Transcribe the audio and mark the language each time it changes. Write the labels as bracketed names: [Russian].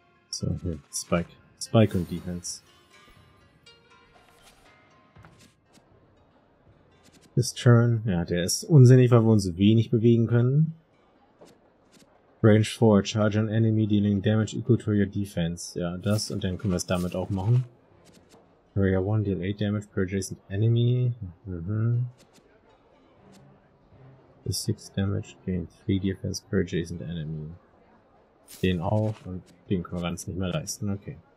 [German] So, hier, Spike. Spike und Defense. [English] His turn. [German] Ja, der ist unsinnig, weil wir uns wenig bewegen können. [English] Range 4, charge an enemy dealing damage equal to your defense. [German] Ja, das und dann können wir es damit auch machen. [English] Area 1, deal 8 damage per adjacent enemy. [German] Mhm. [English] The 6 damage gain 3 defense per adjacent enemy. [German] Den auch und den können wir ganz nicht mehr leisten, okay.